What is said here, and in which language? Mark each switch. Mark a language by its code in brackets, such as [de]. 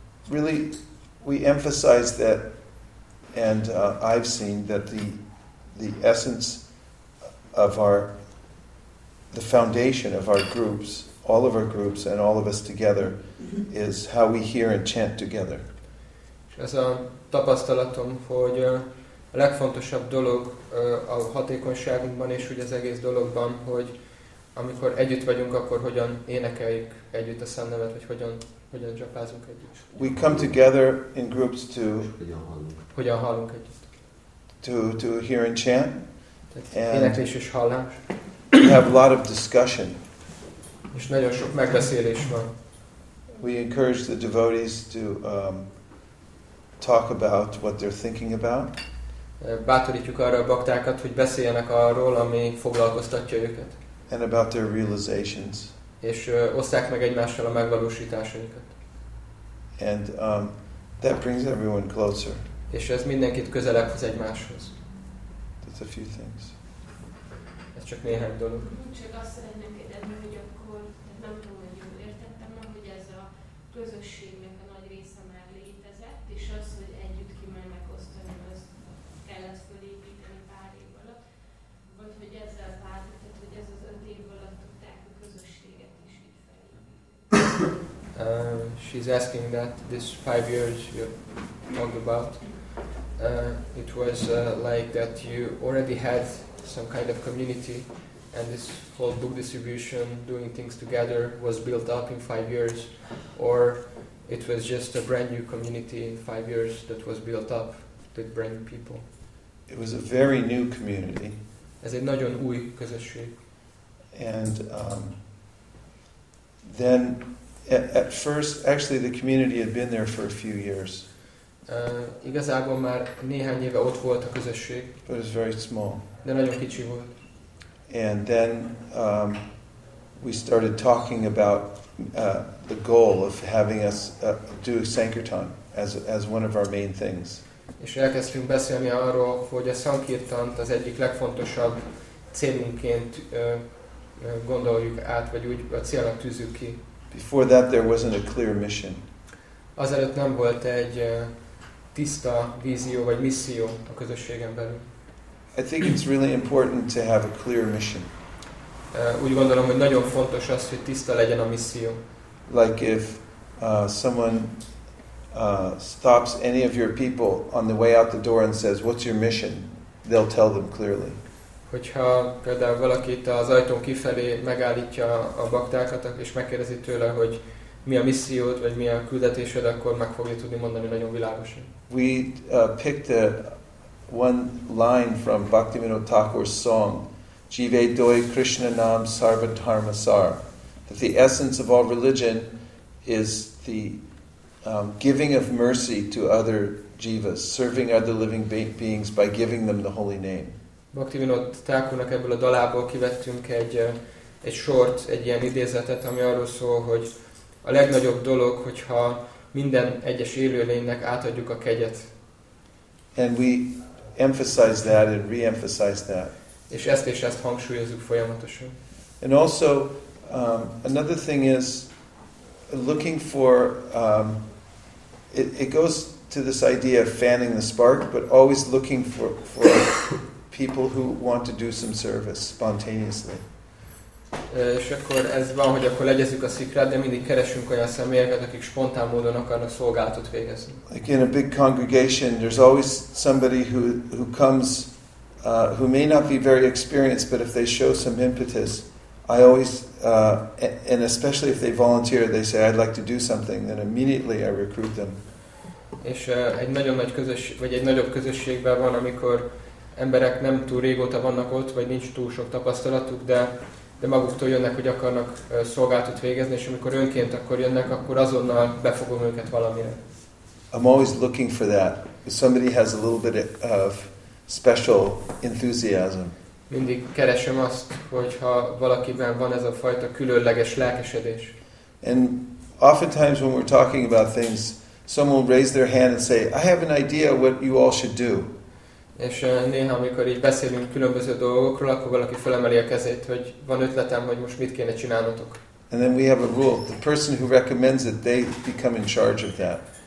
[en] Really we emphasize that, and I've seen that the essence of our, the foundation of our groups, all of our groups and all of us together, is how we hear and chant together. [hu] És ez a tapasztalatom, hogy a legfontosabb dolog a hatékonyságunkban és úgy az egész dologban, hogy amikor együtt vagyunk, akkor hogyan énekeljük együtt a szennevet, vagy hogyan japázunk együtt. [en] We come together in groups to [hu] hogyan hallunk együtt. [en] To hear and chant. [hu] And éneklés és hallás. [en] We have a lot of discussion. [hu] És nagyon sok megbeszélés van. [en] We encourage the devotees to talk about what they're thinking about. [hu] Bátorítjuk arra a baktákat, hogy beszéljenek arról, ami foglalkoztatja őket. [en] And about their realizations. [hu] És osszák meg egymással a megvalósításaikat. [en] And that brings everyone closer. [hu] És ez mindenkit közelebb hoz egymáshoz. [en] A few things. [hu] Ez csak néhány dolog. Csak azt szeretném kérdezni, hogy akkor nem tudom, hogy jól értettem, hogy ez a közösségnek a nagy része már létezett, és az, hogy együtt kimennek osztani, az kell ezt felépíteni pár év alatt, vagy hogy ezzel bármit, hogy ez az 5 év alatt tudták a közösséget is itt felépíteni. [en] She's asking that this 5 years you talked about. It was like that you already had some kind of community, and this whole book distribution, doing things together, was built up in 5 years, or it was just a brand new community in 5 years that was built up with brand new people. It was a very new community. [hu] Ez egy nagyon új közösség. [en] And then at first, actually the community had been there for a few years. [hu] Igazából már néhány éve ott volt a közösség. [en] But it was very small. [hu] De nagyon kicsi volt. [en] And then we started talking about the goal of having us do Sankirtan as one of our main things. [hu] És elkezdtünk beszélni arról, hogy a Sankirtant az egyik legfontosabb célunként gondoljuk át, vagy úgy a célnak tűzzük ki. [en] Before that there wasn't a clear mission. [hu] Azelőtt nem volt egy tiszta vízió vagy misszió a közösségen belül. [en] I think it's really important to have a clear mission. [hu] Úgy gondolom, hogy nagyon fontos az, hogy tiszta legyen a misszió. [en] Like if someone stops any of your people on the way out the door and says, "What's your mission?" They'll tell them clearly. [hu] Hogyha például valakit az ajtón kifelé megállítja a baktákat, és megkérdezi tőle, hogy mi a missziód, vagy mi a küldetésed, akkor meg fogja tudni mondani nagyon világosan. [en] We picked one line from Bhaktivinoda Thakur's song, Jive Doi Krishna Nam Sarva Dharma Sar, that the essence of all religion is the giving of mercy to other jivas, serving other living beings by giving them the holy name. [hu] Bhaktivinoda Thakurnak ebből a dalából kivettünk egy sort, egy ilyen idézetet, ami arról szól, hogy a legnagyobb dolog, hogyha minden egyes élőlénynek átadjuk a kegyet. [en] And we emphasize that and re-emphasize that. [hu] És ezt és ezt hangsúlyozzuk folyamatosan. [en] And also, another thing is looking for, it goes to this idea of fanning the spark, but always looking for people who want to do some service spontaneously. [hu] És akkor ez van, hogy akkor legyezünk a szikrát, de mindig keresünk olyan személyeket, akik spontán módon akarnak szolgálatot végezni. [en] Like in a big congregation, there's always somebody who comes, who may not be very experienced, but if they show some impetus, I always, and especially if they volunteer, they say, I'd like to do something, then immediately I recruit them. [hu] És egy nagyon nagy közösség, vagy egy nagyobb közösségben van, amikor emberek nem túl régóta vannak ott, vagy nincs túl sok tapasztalatuk, de maguktól jönnek, hogy akarnak szolgálatot végezni, és amikor önként akkor jönnek, akkor azonnal befogom őket valamire. [en] I'm always looking for that. If somebody has a little bit of special enthusiasm. [hu] Mindig keresem azt, hogyha valakiben van ez a fajta különleges lelkesedés. [en] And oftentimes when we're talking about things, someone will raise their hand and say, I have an idea what you all should do. [hu] És néha, amikor így beszélünk különböző dolgokról, akkor valaki felemeli a kezét, hogy van ötletem, hogy most mit kéne csinálnotok. [en] And then we have a rule. The person who recommends it, they become in charge of that.